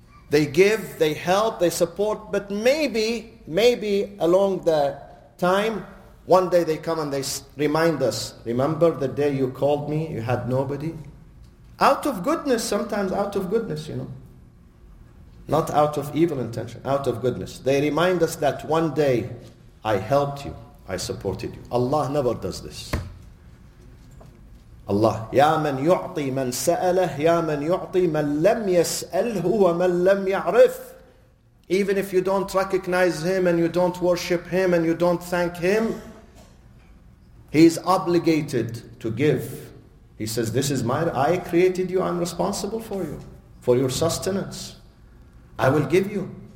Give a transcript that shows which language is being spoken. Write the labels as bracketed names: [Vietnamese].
[English] They give, they help, they support, but maybe along the time, one day they come and they remind us, remember the day you called me, you had nobody? Out of goodness, sometimes out of goodness, you know. Not out of evil intention, out of goodness. They remind us that one day I helped you, I supported you. Allah never does this. [Arabic] Allah, يَا مَنْ يُعْطِي مَنْ سَأَلَهُ يَا مَنْ يُعْطِي مَنْ لَمْ يَسْأَلْهُ وَمَنْ لَمْ يَعْرِفْ. [English] Even if you don't recognize him and you don't worship him and you don't thank him, he is obligated to give. He says, this is my, I created you, I'm responsible for you, for your sustenance, I will give you.